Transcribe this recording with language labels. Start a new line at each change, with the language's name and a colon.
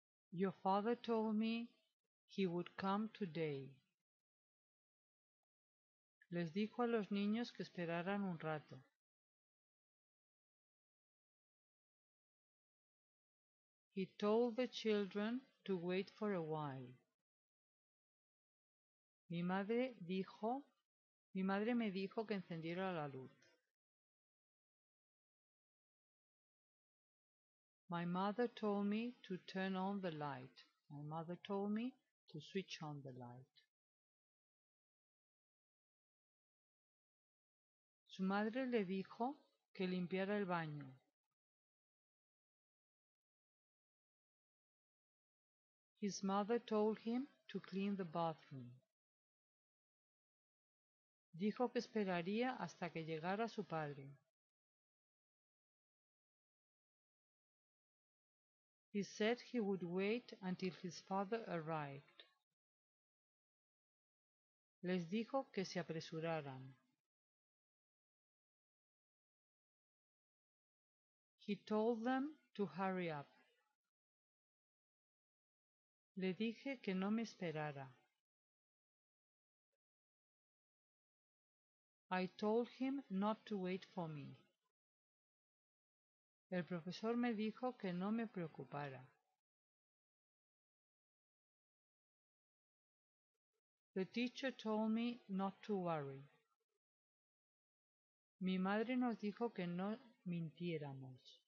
English: Your father told me he would come today.
Spanish: Les dijo a los niños que esperaran un rato.
English: He told the children to wait for a while.
Spanish: Mi madre me dijo que encendiera la luz.
English: My mother told me to turn on the light. My mother told me to switch on the light.
Spanish: Su madre le dijo que limpiara el baño.
English: His mother told him to clean the bathroom.
Spanish: Dijo que esperaría hasta que llegara su padre.
English: He said he would wait until his father arrived.
Spanish: Les dijo que se apresuraran.
English: He told them to hurry up.
Spanish: Le dije que no me esperara.
English: I told him not to wait for me.
Spanish: El profesor me dijo que no me preocupara.
English: The teacher told me not to worry.
Spanish: Mi madre nos dijo que no mintiéramos.